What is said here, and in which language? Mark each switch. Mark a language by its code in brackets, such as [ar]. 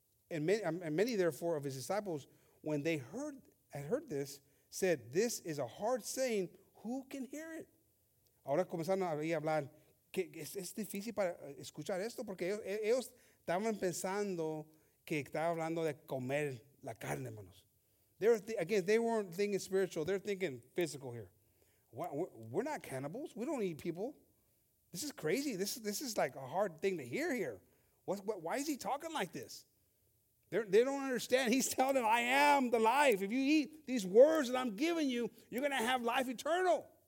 [en] And many therefore of his disciples, when they had heard this, said, this is a hard saying, who can hear it? [es] Ahora comenzaron a hablar, que es difícil para escuchar esto, porque ellos estaban pensando que estaba hablando de comer la carne, hermanos. [en] They weren't thinking spiritual, they're thinking physical here. We're not cannibals. We don't eat people. This is crazy. This is like a hard thing to hear here. Why is he talking like this? They don't understand. He's telling them, I am the life. If you eat these words that I'm giving you, you're gonna have life eternal.